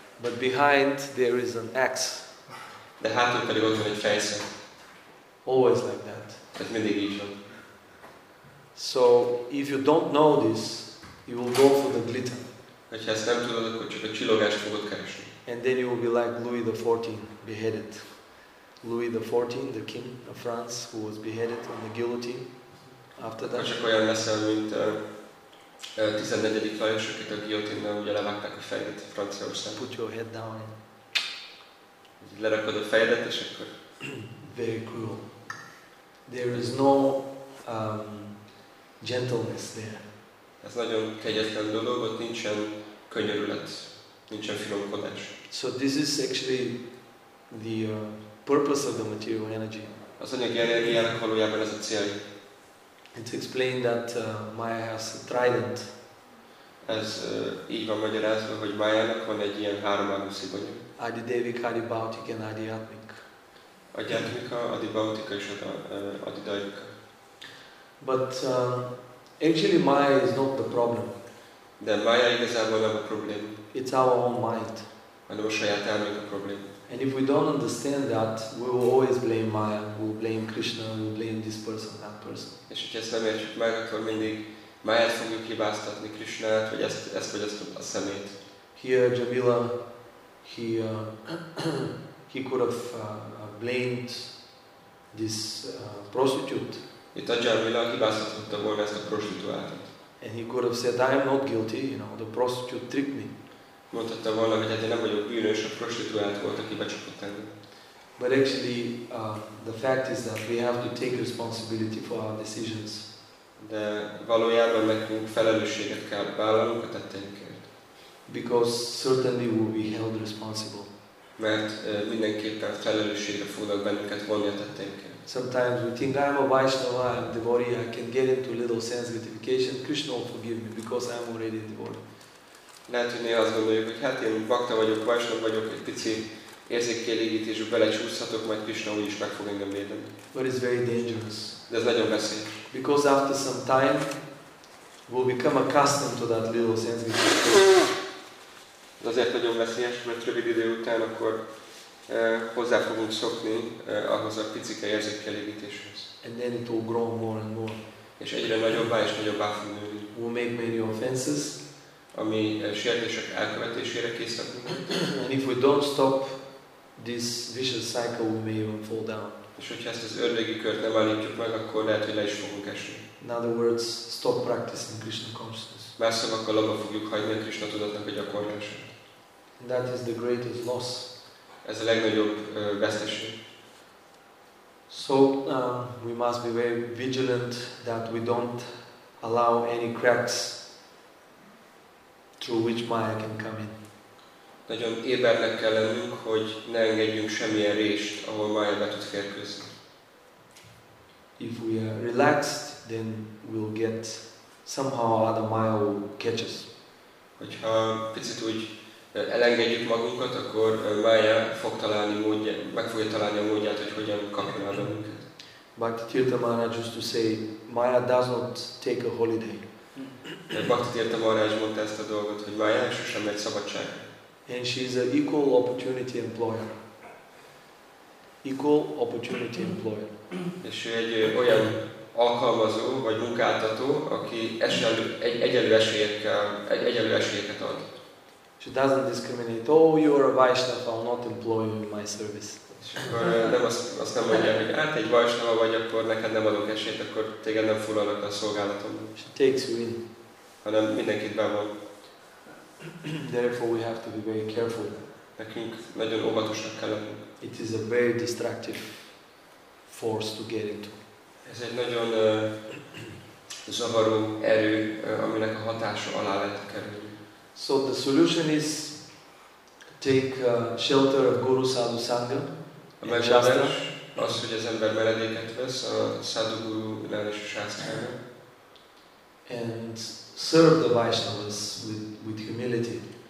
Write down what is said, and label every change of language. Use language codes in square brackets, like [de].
[en] But behind there is an axe. [hu] De hátul pedig ott van egy fejszín. [en] Always like that. [hu] Ez mindig így van. [en] So if you don't know this, you will go for the glitter. [hu] Hogyha ezt nem tudod, akkor csak a csillogást fogod keresni. [en] And then you will be like Louis XIV, beheaded. Louis XIV, the king of France, who was beheaded on the guillotine. After that. [hu] Csak olyan leszel, mint XIV. Lajos, akit a guillotine-nál ugye levágták a fejét Franciaországban. [en] Put your head down. [hu] Lerakod a fejedet, és akkor. [en] Very cruel. There is no gentleness there. [hu] Ez nagyon kegyetlen dolog, ott nincsen könyörület, nincsen finomkodás. [en] So this is actually the purpose of the material energy. [hu] Az anyagi energiának valójában ez a célja. [en] It's explained that Maya has a trident. [hu] Ez így van magyarázva, hogy Mayának van egy ilyen háromágú szigonya. [sa] Adi Devik, Adi Bautik and Adi Atmik. Adi Atmik, Adi Bautik és Adi Devik. [en] But actually Maya is not the problem. [hu] De Maya igazából nem a problém. [en] It's our own mind. [hu] Hanem a saját elménk a problém. [en] And if we don't understand that, we will always blame Maya, we will blame Krishna, we will blame this person, that person. [hu] És hogyha ezt nem értjük meg, akkor mindig Mayát fogjuk hibáztatni, Krishnát, vagy ezt vagy azt a szemét. [en] Here Jamila, he could have blamed this prostitute. [hu] Itt a Jamila hibáztatotta volna ezt a prostituáltat. [en] And he could have said, I am not guilty, you know, the prostitute tricked me. [hu] Mondhatta volna, hogy hát én nem vagyok bűnös, a prostituált volt, aki becsapott engem. [en] But actually, the fact is that we have to take responsibility for our decisions. [hu] De valójában nekünk felelősséget kell vállalnunk a tetteinkért. [en] Because certainly we will be held responsible. [hu] Mert mindenképpen felelősségre fognak bennünket vonni a tetteinkért. [en] Sometimes we think, I'm a Vaishnava, I'm a devotee, I can get into a little sense gratification, Krishna will forgive me because I'm already a devotee. [hu] Lehet, hogy néha azt gondoljuk, hogy hát én bakta vagyok, Vaishnava vagyok, egy pici érzékkielégítésbe belecsúszhatok, majd Krishna úgyis meg fog engem védeni. [en] But it's very dangerous. [hu] De ez nagyon veszélyes. [en] Because after some time, we'll become accustomed to that little sense gratification. [hu] Ez azért nagyon veszélyes, mert rövid idő után akkor hozzá fogunk szokni ahhoz a picike érzékkielégítéshez. [en] And then it will grow more and more. [hu] És egyre nagyobbá és nagyobbá fog nőni. [en] We'll make many offenses. [hu] Ami sértések elkövetésére készít. [en] And if we don't stop this vicious cycle, we may even fall down. [hu] És hogyha ezt az ördögi kört nem állítjuk meg, akkor lehet, hogy le is fogunk esni. [en] In other words, stop practicing Krishna consciousness. [hu] Más szavakkal abba fogjuk hagyni a Krishna tudatnak a gyakorlását. [en] That is the greatest loss. [hu] Ez a legnagyobb veszteség. [en] So we must be very vigilant that we don't allow any cracks through which Maya can come in. [hu] Nagyon ébernek kell lennünk, hogy ne engedjünk semmilyen rést, ahol Maya be tud férkőzni. [en] If we are relaxed, then we'll get somehow or other Maya will catch us. [hu] Hogyha picit úgy elengedjük magunkat, akkor Maya fog találni módját, meg fogja találni a módját, hogy hogyan kapjon el bennünket. [en] Bhakti Tirtha Maharaj used to say, Maya does not take a holiday. [hu] Bhakti Tirtha Maharaj mondta ezt a dolgot, hogy Maya sosem megy szabadságra. [en] And she is an equal opportunity employer. Equal opportunity employer. [hu] És egy olyan alkalmazó vagy munkáltató, aki egyenlő esélyeket ad. [en] She doesn't discriminate. Oh, you are a Vaishnava, I'll not employ you in my service. [hu] És akkor nem azt nem mondja, hogy hát egy Vaishnava vagy, akkor neked nem adok esélyt, akkor téged nem foglalok a szolgálatomban. [en] She takes you in. [hu] Hanem mindenkit bevon. [en] Therefore, we have to be very careful. [hu] Nekünk nagyon óvatosnak kell lennünk. [en] It is a very destructive force to get into. [hu] Ez egy nagyon zavaró erő, aminek a hatása alá lehet kerülni. [en] So the solution is take shelter of Guru Sadhu Sangha. [hu] A megoldás Az, hogy az ember menedéket vesz a Sadhguru Nanda Sastrára. [en] And serve the Vaishnavas with humility.